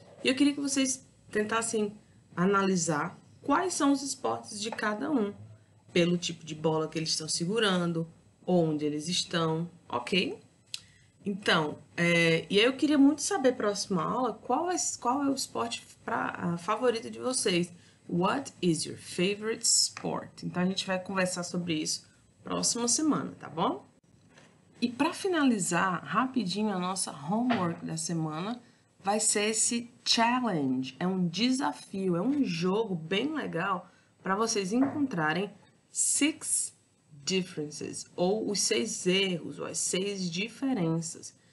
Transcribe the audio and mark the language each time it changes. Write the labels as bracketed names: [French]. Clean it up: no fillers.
[Portuguese] E eu queria que vocês tentassem analisar quais são os esportes de cada um, pelo tipo de bola que eles estão segurando, onde eles estão, ok? Então, e aí eu queria muito saber, próxima aula, qual é o esporte favorito de vocês? [English] What is your favorite sport? [Portuguese] Então a gente vai conversar sobre isso próxima semana, tá bom? E para finalizar, rapidinho, a nossa homework da semana vai ser esse challenge. É um desafio, é um jogo bem legal para vocês encontrarem [English] six differences, [Portuguese] ou os seis erros, ou as seis diferenças.